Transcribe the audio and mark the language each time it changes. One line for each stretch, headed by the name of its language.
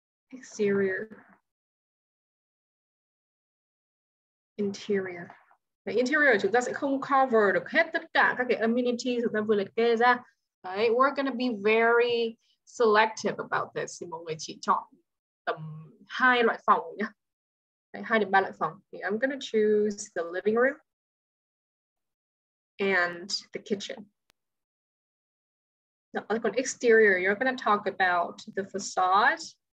English: Exterior.
Vietnamese: Interior. Đấy, interior chúng ta sẽ không cover được hết tất cả các cái amenities chúng ta vừa liệt kê ra.
English: Đấy, we're gonna be very selective about this.
Vietnamese: Thì mọi người chỉ chọn tầm hai loại phòng nhé. Đấy, hai đến ba loại phòng.
English: Thì I'm gonna choose the living room and the kitchen. Now, còn exterior, you're gonna talk about the facade.